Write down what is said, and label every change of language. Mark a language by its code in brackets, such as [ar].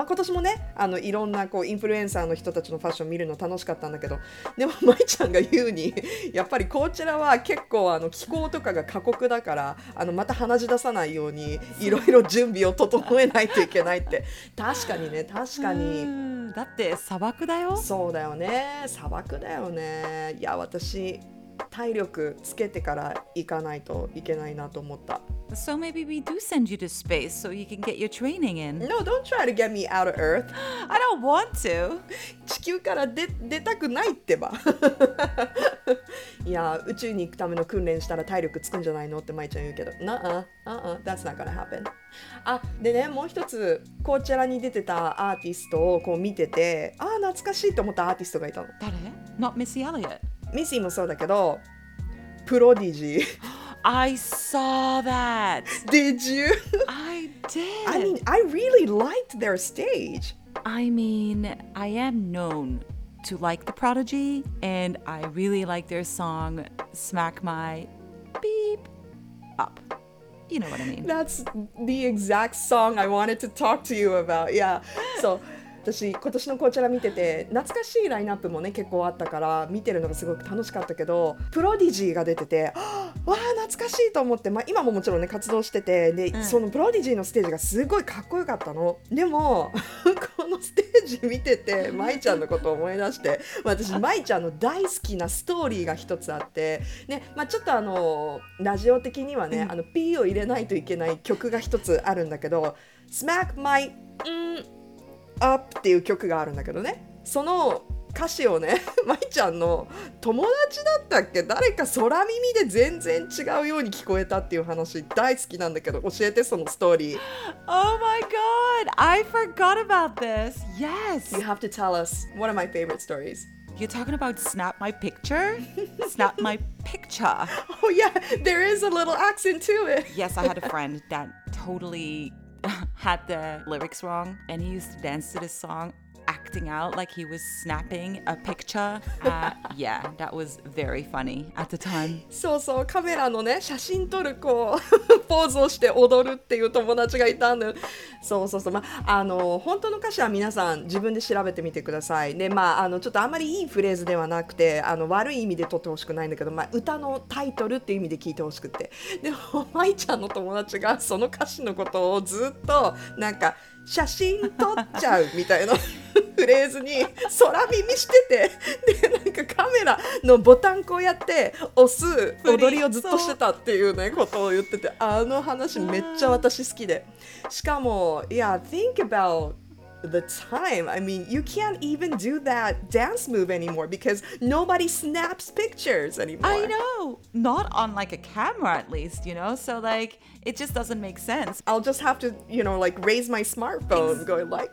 [ja] まあ今年もね、あのいろんなこうインフルエンサーの人たちのファッション見るの楽しかったんだけど、でもマイちゃんが言うにやっぱりコーチェラは結構あの気候とかが過酷だから、あのまた鼻血出さないようにいろいろ準備を整えないといけないって。確かにね、確かに。だって砂漠だよ。そうだよね、砂漠だよね。いや私体力つけてから行かないといけないなと思った。 [en] So maybe we do send you to space so you can get your training in. No, don't try to get me out of Earth. I don't want to. [ja] 地球から出たくないってば。いや、宇宙に行くための訓練したら体力つくんじゃないのってまいちゃん言うけど、 [en] That's not gonna happen. [ja] あ、でね、もう一つコーチェラに出てたアーティストをこう見てて、あ、懐かしいと思ったアーティストがいたの。誰？ [en] Not Missy Elliott. [ja] ミシーもそうだけど、プロディジ [en] ー。 I saw that! Did you? I did! I mean, I really liked their stage. I mean, I am known to like the Prodigy, and I really like their song, Smack My Beep Up. You know what I mean. That's the exact song I wanted to talk to you about, yeah. So... [ja] 私今年のコーチェラ見てて懐かしいラインナップもね結構あったから見てるのがすごく楽しかったけど、プロディジーが出てて、わあ懐かしいと思って、まあ、今ももちろんね活動してて、で、うん、そのプロディジーのステージがすごいかっこよかったの。でもこのステージ見てて舞ちゃんのことを思い出して、私舞ちゃんの大好きなストーリーが一つあって、ね、まあ、ちょっとあのラジオ的にはね、うん、あの P を入れないといけない曲が一つあるんだけど、 Smack my Up っていう曲があるんだけどね、その歌詞をね、まいちゃんの友達だったっけ、誰か空耳で全然違うように聞こえたっていう話大好きなんだけど、教えてそのストーリー。 [en] Oh my god, I forgot about this. Yes, you have to tell us one of my favorite stories. You're talking about snap my picture? Snap my picture. Oh yeah, there is a little accent to it. Yes, I had a friend that totally had the lyrics wrong and he used to dance to this song acting out like he was snapping a picture. Yeah, that was very funny at the time. [ja] そうそう、カメラのね、写真撮るこうポーズをして踊るっていう友達がいたんだよ。そうそうそう、まあ、あの本当の歌詞は皆さん自分で調べてみてください。で、まあ、あのちょっとあんまりいいフレーズではなくて、あの悪い意味で撮ってほしくないんだけど、まあ、歌のタイトルっていう意味で聞いてほしくて。でも、まいちゃんの友達がその歌詞のことをずっとなんか写真撮っちゃうみたいなフレーズに空耳してて、でなんかカメラのボタンこうやって押す踊りをずっとしてたっていうねことを言ってて、あの話めっちゃ私好きで、しかも [en] Yeah, think about the time. I mean, you can't even do that dance move anymore because nobody snaps pictures anymore. I know, not on like a camera at least, you know, so likeIt just doesn't make sense. I'll just have to, you know, like raise my smartphone going like...